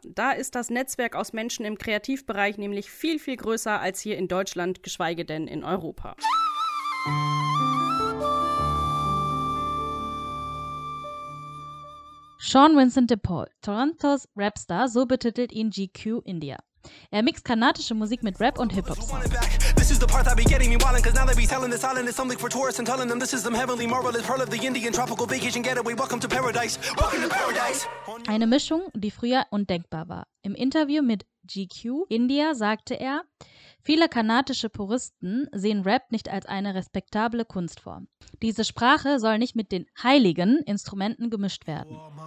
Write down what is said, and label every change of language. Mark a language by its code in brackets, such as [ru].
[de] Da ist das Netzwerk aus Menschen im Kreativbereich nämlich viel, viel größer als hier in Deutschland, geschweige denn in Europa. Sean Vincent de Paul, Torontos Rapstar, so betitelt ihn GQ India. Er mixt kanadische Musik mit Rap und Hip-Hop. [en] This is the part that be getting me wildin', cause now they be telling this island is something for tourists and telling them this is some heavenly marvelous pearl of the Indian tropical vacation getaway. Welcome to paradise. Welcome to paradise. [de] Eine Mischung, die früher undenkbar war. Im Interview mit GQ India sagte er, viele kanadische Puristen sehen Rap nicht als eine respektable Kunstform. Diese Sprache soll nicht mit den heiligen Instrumenten gemischt werden.